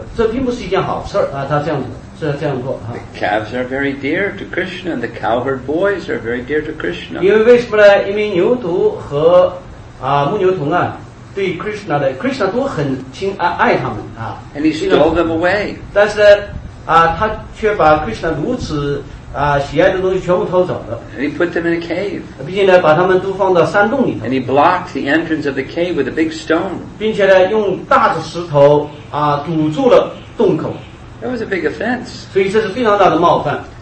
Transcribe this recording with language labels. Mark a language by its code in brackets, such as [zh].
[zh] 这并不是一件好事，他这样做。 [en] The calves are very dear to Krishna, and the cowherd boys are very dear to Krishna. [zh] 因为什么呢？因为牛犊和牧牛童啊，对 Krishna 的 Krishna 都很亲爱他们啊。 [en] And he stole them away. [zh] 但是他却把 Krishna 如此喜爱的东西全部偷走了。 [en] And he put them in a cave. [zh] 并且呢，把他们都放到山洞里头。 [en] And he blocked the entrance of the cave with a big stone. [zh] 并且呢，用大的石头堵住了洞口。 [en] That was a big offense. [zh] 所以这是非常大的冒犯。